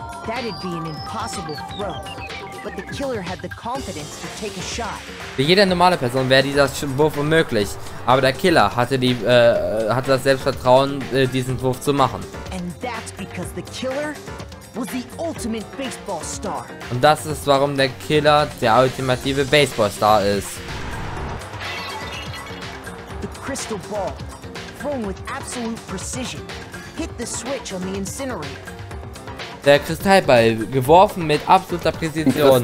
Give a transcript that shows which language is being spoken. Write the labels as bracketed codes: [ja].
[en] That'd be an impossible throw, but the killer had the confidence to take a shot. [de] Für jede normale Person wäre dieser Wurf unmöglich, aber der Killer hatte das Selbstvertrauen, diesen Wurf zu machen. [en] And that's because the killer was the ultimate baseball star. [de] Und das ist, warum der Killer der ultimative Baseballstar ist. [en] The crystal ball, thrown with absolute precision, hit the switch on the incinerator. [de] Der Kristallball, geworfen mit absoluter Präzision.